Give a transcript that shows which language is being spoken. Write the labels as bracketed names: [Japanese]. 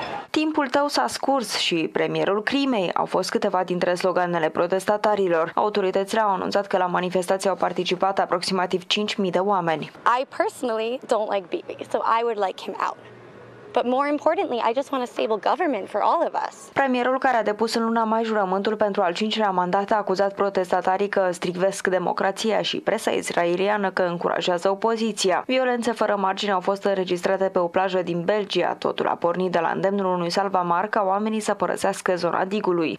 [Romanian] Timpul tău s-a scurs și premierul crimei au fost câteva dintre sloganele protestatarilor. Autoritățile au anunțat că la manifestație au participat aproximativ 5.000 de oameni. [English] I personally don't like Bibi, so I would like him out. But more importantly, I just want a stable government for all of us. [Romanian] Premierul, care a depus în luna mai jurământul pentru al cincilea mandat, a acuzat protestatarii că strigvesc democrația și presa israeliană că încurajează opoziția. Violențe fără margine au fost înregistrate pe o plajă din Belgia. Totul a pornit de la îndemnul unui salvamar ca oamenii să părăsească zona digului.